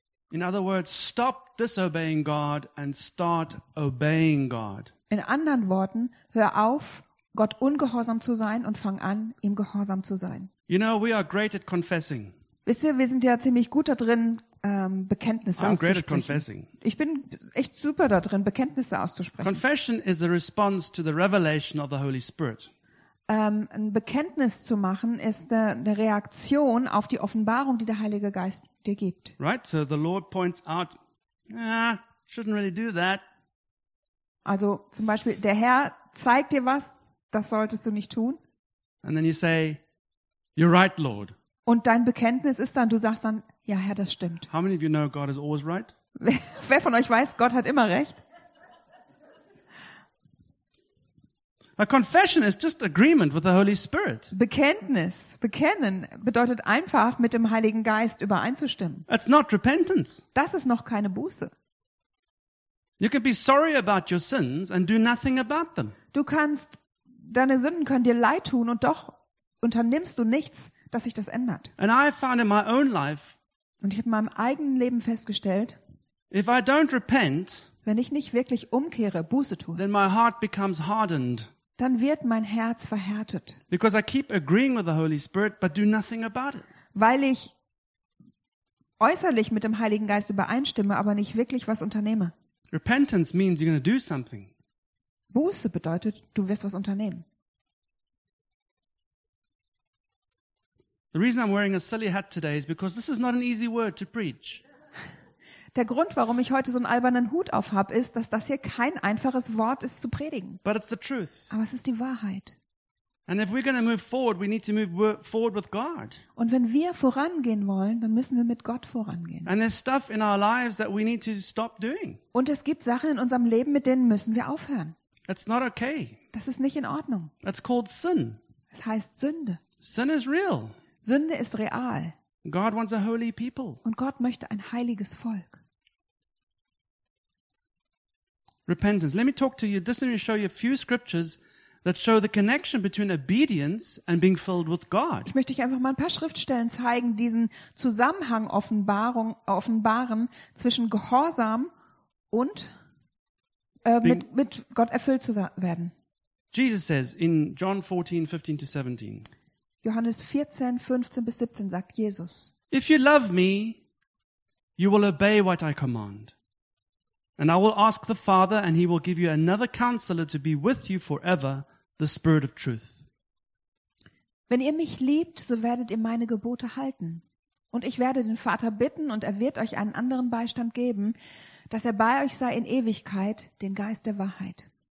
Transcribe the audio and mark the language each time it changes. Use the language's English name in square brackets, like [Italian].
[English] In other words, stop disobeying God and start obeying God. [German] In anderen Worten, hör auf, Gott ungehorsam zu sein und fang an, ihm gehorsam zu sein. [English] You know, we are great at confessing. [German] Wisst ihr, wir sind ja ziemlich gut da drin, Bekenntnisse [English] I'm [German] auszusprechen. [English] Great at confessing. [German] Ich bin echt super da drin, Bekenntnisse auszusprechen. [English] Confession is a response to the revelation of the Holy Spirit. [German] Ein Bekenntnis zu machen ist eine Reaktion auf die Offenbarung, die der Heilige Geist dir gibt. [English] Right, so the Lord points out, shouldn't really do that. [German] Also zum Beispiel, der Herr zeigt dir was, das solltest du nicht tun. [English] And then you say, you're right, Lord. [German] Und dein Bekenntnis ist dann, du sagst dann, ja, Herr, das stimmt. [English] How many of you know God is always right? [German] Wer von euch weiß, Gott hat immer recht? [English] A confession is just agreement with the Holy Spirit. [German] Bekenntnis, bekennen bedeutet einfach, mit dem Heiligen Geist übereinzustimmen. [English] It's not repentance. [German] Das ist noch keine Buße. [English] You can be sorry about your sins and do nothing about them. [German] Du kannst, deine Sünden können dir leid tun und doch unternimmst du nichts, dass sich das ändert. [English] And I found in my own life, [German] und ich habe in meinem eigenen Leben festgestellt, [English] if I don't repent, [German] wenn ich nicht wirklich umkehre, Buße tue, [English] then my heart becomes hardened, [German] dann wird mein Herz verhärtet. [English] Because I keep agreeing with the Holy Spirit, but do nothing about it. [German] Weil ich äußerlich mit dem Heiligen Geist übereinstimme, aber nicht wirklich was unternehme. [English] Repentance means you're gonna do something. [German] Buße bedeutet, du wirst was unternehmen. [English] The reason I'm wearing a silly hat today is because this is not an easy word to preach. [German] Der Grund, warum ich heute so einen albernen Hut auf habe, ist, dass das hier kein einfaches Wort ist zu predigen. [English] But it's the truth. [German] Aber es ist die Wahrheit. [English] And if we're going to move forward, we need to move forward with God. [German] Und wenn wir vorangehen wollen, dann müssen wir mit Gott vorangehen. [English] And there's stuff in our lives that we need to stop doing. [German] Und es gibt Sachen in unserem Leben, mit denen müssen wir aufhören. [English] That's not okay. [German] Das ist nicht in Ordnung. [English] That's called sin. [German] Es heißt Sünde. [English] Sin is real. [German] Sünde ist real. [English] God wants a holy people. [German] Und Gott möchte ein heiliges Volk. [English] Repentance. Let me talk to you. Just let me show you a few scriptures that show the connection between obedience and being filled with God. [German] Ich möchte euch einfach mal ein paar Schriftstellen zeigen, diesen Zusammenhang offenbaren zwischen Gehorsam und mit Gott erfüllt zu werden. [English] Jesus says in John 14, 15 to 17. [German] Johannes 14, 15 bis 17 sagt Jesus. [English] If you love me, you will obey what I command. And I will ask the Father, and he will give you another counselor to be with you forever, the Spirit of Truth. [German] Wenn ihr mich liebt, so werdet ihr meine Gebote halten. Und ich werde den Vater bitten, und er wird euch einen anderen Beistand geben, dass er bei euch sei in Ewigkeit, den Geist der Wahrheit.